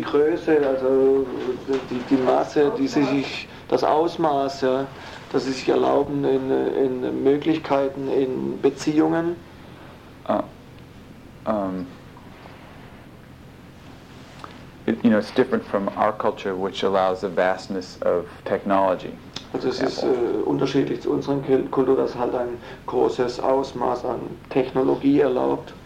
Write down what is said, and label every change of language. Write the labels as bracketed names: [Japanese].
[German] Die Größe, also die Masse, die sie sich, das Ausmaß, ja, das sie sich erlauben in Möglichkeiten, in Beziehungen. Uh, [English] you know, it's different from our culture, which allows the vastness of technology. [German] Also es ist unterschiedlich zu unserem Kultur, das halt ein großes Ausmaß an Technologie erlaubt.